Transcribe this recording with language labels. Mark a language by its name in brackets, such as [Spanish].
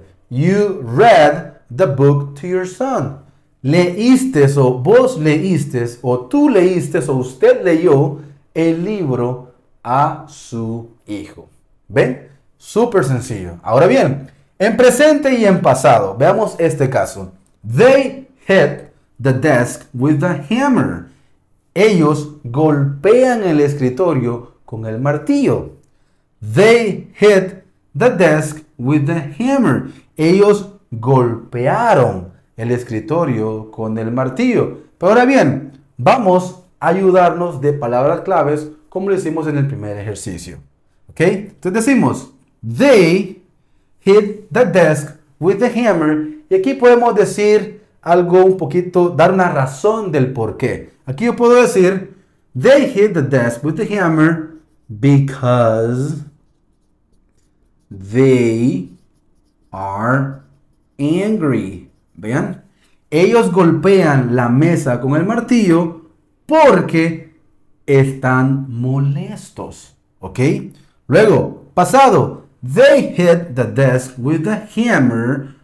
[English] You read the book to your son. [Spanish] Leíste, o vos leíste, o tú leíste, o usted leyó el libro a su hijo. ¿Ven? Súper sencillo. Ahora bien, en presente y en pasado, veamos este caso. [English] They hit the desk with a hammer. [Spanish] Ellos golpean el escritorio con el martillo. [English] They hit the desk with a hammer. [Spanish] Ellos golpearon el escritorio con el martillo. Pero ahora bien, vamos a ayudarnos de palabras claves como lo hicimos en el primer ejercicio. ¿Ok? Entonces decimos, [English] they hit the desk with a hammer. [Spanish] Y aquí podemos decir algo un poquito, dar una razón del por qué. Aquí yo puedo decir, [English] they hit the desk with the hammer because they are angry. [Spanish] ¿Vean? Ellos golpean la mesa con el martillo porque están molestos. ¿Ok? Luego, pasado. [English] They hit the desk with the hammer.